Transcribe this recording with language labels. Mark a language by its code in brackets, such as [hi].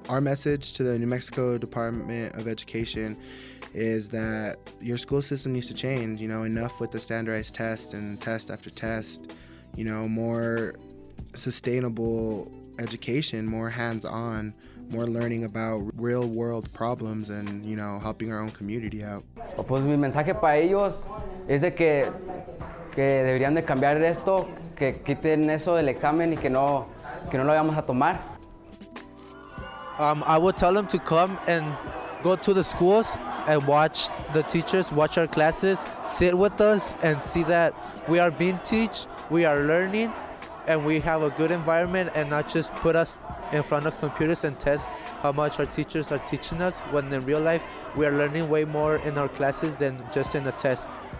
[en] Our message to the New Mexico Department of Education is that your school system needs to change. You know, enough with the standardized test and test after test. You know, more sustainable education, more hands-on, more learning about real-world problems and, you know, helping our own community out. [es] Pues mi mensaje para ellos es de que deberían de cambiar esto, que quiten eso del examen y que no lo vamos a tomar. [en] I would tell them to come and go to the schools and watch the teachers, watch our classes, sit with us and see that we are being taught, we are learning, and we have a good environment, and not just put us in front of computers and test how much our teachers are teaching us, when in real life, we are learning way more in our classes than just in a test.